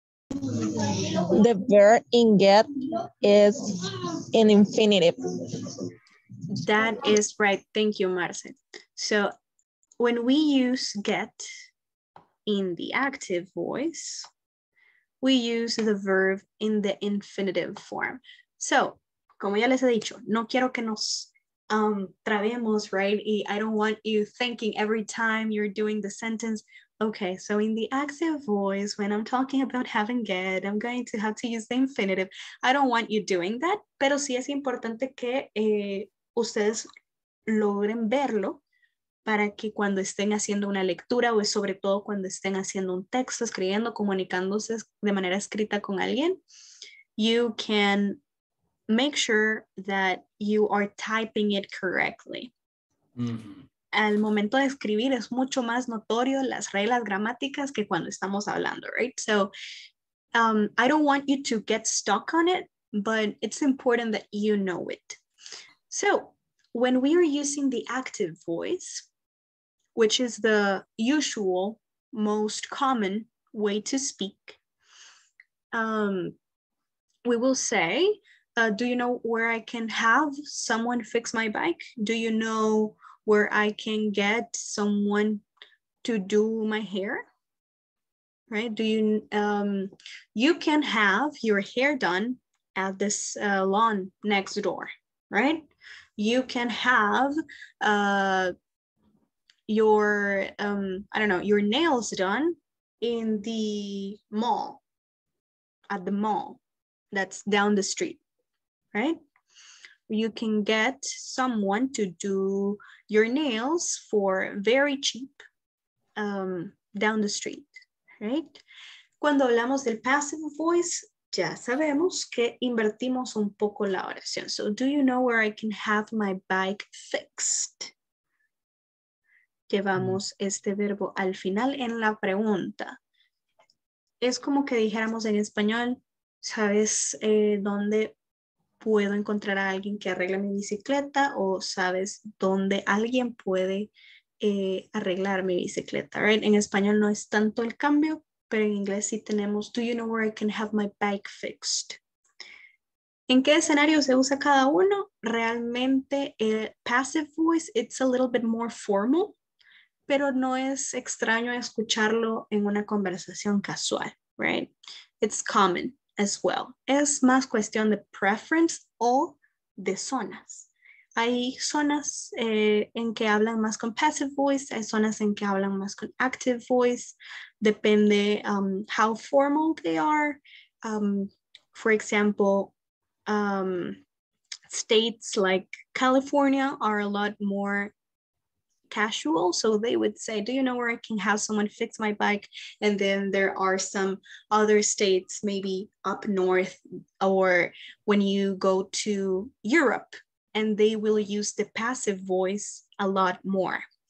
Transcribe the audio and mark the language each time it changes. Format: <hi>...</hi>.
<en>The verb in get is an infinitive. That is right. Thank you, Marce. So when we use get in the active voice, we use the verb in the infinitive form.</en> <es>So, como ya les he dicho, no quiero que nos trabemos, right?</es> <en>Y I don't want you thinking every time you're doing the sentence. Okay, so in the active voice, when I'm talking about have and get, I'm going to have to use the infinitive. I don't want you doing that.</en> <es>Pero sí es importante que ustedes logren verlo para que cuando estén haciendo una lectura o sobre todo cuando estén haciendo un texto, escribiendo, comunicándose de manera escrita con alguien,</es> <en>you can make sure that you are typing it correctly.</en> <es>Mm-hmm. Al momento de escribir es mucho más notorio las reglas gramáticas que cuando estamos hablando, right?</es> <en>So I don't want you to get stuck on it, but it's important that you know it. So when we are using the active voice, which is the usual, most common way to speak, we will say, do you know where I can have someone fix my bike? Do you know where I can get someone to do my hair? Right? Do you can have your hair done at this lawn next door, right? You can have your nails done in the mall, at the mall that's down the street, right? You can get someone to do your nails for very cheap down the street, right?</en> <es>Cuando hablamos del passive voice, ya sabemos que invertimos un poco la oración.</es> <en>So, do you know where I can have my bike fixed?</en> <es>Llevamos este verbo al final en la pregunta. Es como que dijéramos en español, ¿sabes dónde puedo encontrar a alguien que arregle mi bicicleta? O ¿sabes dónde alguien puede arreglar mi bicicleta? Right? En español no es tanto el cambio, pero en inglés sí tenemos,</es> <en>do you know where I can have my bike fixed?</en> <es>¿En qué escenario se usa cada uno? Realmente el passive voice,</es> <en>it's a little bit more formal,</en> <es>pero no es extraño escucharlo en una conversación casual, right?</es> <en>It's common as well.</en> <es>Es más cuestión de preference o de zonas. Hay zonas en que hablan más con passive voice, hay zonas en que hablan más con active voice. Depende</es> <en>how formal they are. For example, states like California are a lot more casual, so they would say, do you know where I can have someone fix my bike? And then there are some other states, maybe up north, or when you go to Europe, and they will use the passive voice a lot more.</en>